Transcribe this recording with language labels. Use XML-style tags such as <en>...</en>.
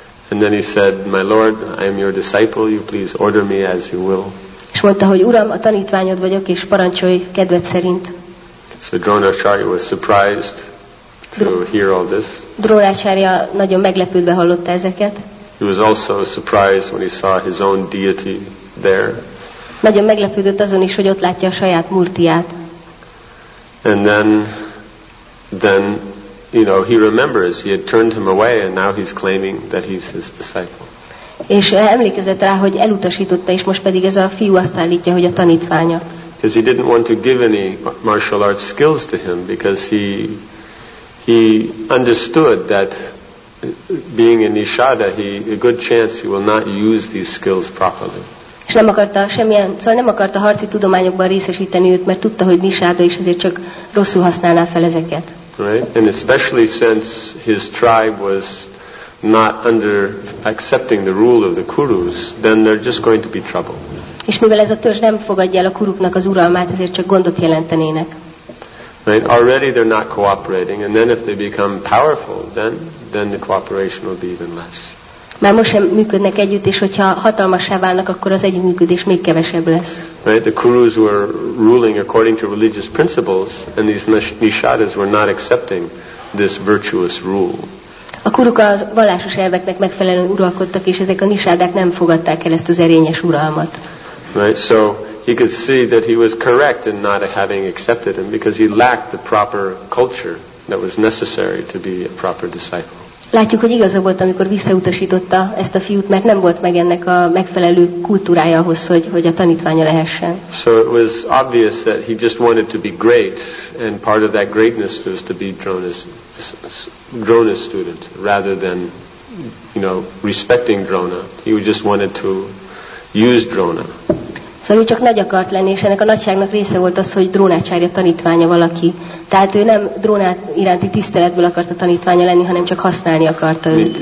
<en>And then he said, my lord, I am your disciple, you please order me as you will.</en> <hu>És mondta, hogy uram, a tanítványod vagyok, és parancsolj kedved szerint.</hu> <en>So Dronacharya was surprised to hear all this.</en> <hu>Dronacharya nagyon meglepődve hallotta ezeket.</hu> <en>He was also surprised when he saw his own deity there.</en> <hu>Nagyon meglepődött azon is, hogy ott látja a saját murtiát.</hu> <en>And then, you know, he remembers he had turned him away, and now he's claiming that he's his disciple.</en> <hu>És emlékezett rá, hogy elutasította, és most pedig ez a fiú azt állítja, hogy a tanítványa.</hu> <en>Because he didn't want to give any martial arts skills to him, because he understood that being a nishada, a good chance he will not use these skills properly.</en> <hu>És nem akarta semmilyen, szóval nem akarta harci tudományokban részesíteni őt, mert tudta, hogy nishada, és ezért csak rosszul használná fel ezeket.</hu> <en>Right, and especially since his tribe was not under accepting the rule of the Kurus, then they're just going to be trouble.</en> <hu>És mivel ez a törzs nem fogadja el a kuruknak az uralmát, ezért csak gondot jelentenének.</hu> <en>Right, already they're not cooperating, and then if they become powerful, then the cooperation will be even less.</en> <hu>Már most sem működnek együtt, és hogyha hatalmassá válnak, akkor az együttműködés még kevesebb lesz.</hu> <en>Right, the Kurus were ruling according to religious principles, and these nishadas were not accepting this virtuous rule.</en> <hu>A kuruk az vallásos elveknek megfelelően uralkodtak, és ezek a nishadák nem fogadták el ezt az erényes uralmat.</hu> <en>Right, so he could see that he was correct in not having accepted him, because he lacked the proper culture that was necessary to be a proper disciple.</en> <hu>Látjuk, hogy igaza volt, amikor visszautasította ezt a fiút, mert nem volt meg ennek a megfelelő kultúrája ahhoz, hogy a tanítványa lehessen.</hu> <en>So it was obvious that he just wanted to be great, and part of that greatness was to be Drona's student, rather than, you know, respecting Drona. He just wanted to use Drona.</en> <hu>Szóval ő csak nagy akart lenni, és ennek a nagyságnak része volt az, hogy Drónácsárja tanítványa valaki. Tehát ő nem Dróna iránti tiszteletből akarta tanítványa lenni, hanem csak használni akarta őt.</hu>